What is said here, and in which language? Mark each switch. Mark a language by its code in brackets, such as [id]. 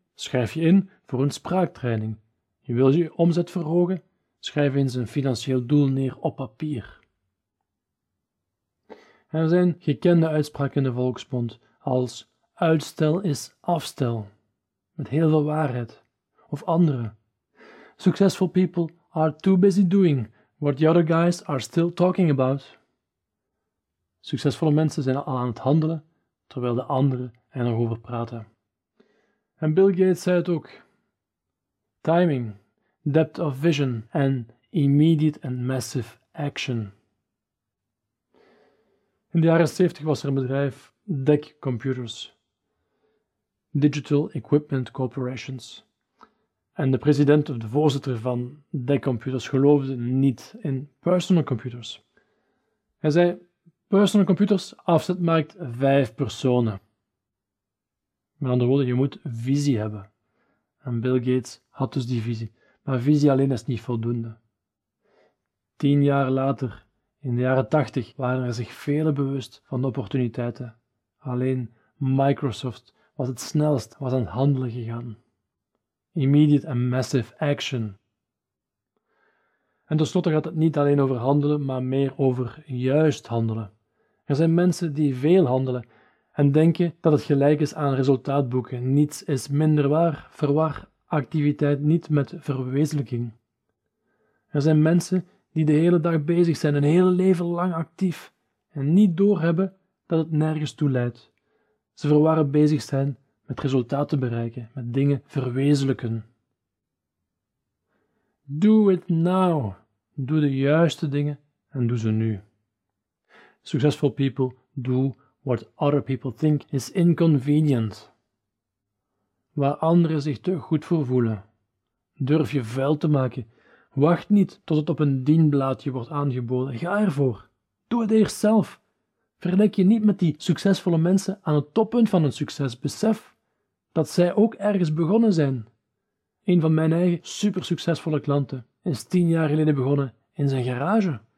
[nl] Schrijf je in voor een spraaktraining. Je wil je omzet verhogen? Schrijf eens een financieel doel neer op papier. Er zijn gekende uitspraken in de volksmond als uitstel is afstel, met heel veel waarheid, of andere. [en] Successful people are too busy doing what the other guys are still talking about. [nl] Succesvolle mensen zijn al aan het handelen, terwijl de anderen er nog over praten. En Bill Gates zei het ook. [en] Timing, depth of vision and immediate and massive action. [nl] In de jaren 70 was er een bedrijf, DEC Computers, Digital Equipment Corporations. En de president of de voorzitter van DEC Computers geloofde niet in personal computers. Hij zei, personal computers, afzetmarkt 5 personen. Met andere woorden, je moet visie hebben. En Bill Gates had dus die visie. Maar visie alleen is niet voldoende. 10 jaar later, in de jaren 80, waren er zich velen bewust van de opportuniteiten. Alleen Microsoft was het snelst, was aan het handelen gegaan. [en] Immediate and massive action. [nl] En tenslotte gaat het niet alleen over handelen, maar meer over juist handelen. Er zijn mensen die veel handelen en denken dat het gelijk is aan resultaatboeken. Niets is minder waar. Verwar activiteit niet met verwezenlijking. Er zijn mensen die de hele dag bezig zijn, een hele leven lang actief en niet doorhebben dat het nergens toe leidt. Ze verwarren bezig zijn met resultaten bereiken, met dingen verwezenlijken. [en] Do it now. [nl] Doe de juiste dingen en doe ze nu. [en] Successful people do what other people think is inconvenient. [nl] Waar anderen zich te goed voor voelen. Durf je vuil te maken. Wacht niet tot het op een dienblaadje wordt aangeboden. Ga ervoor. Doe het eerst zelf. Vergelijk je niet met die succesvolle mensen aan het toppunt van hun succes. Besef dat zij ook ergens begonnen zijn. Een van mijn eigen super succesvolle klanten is 10 jaar geleden begonnen in zijn garage.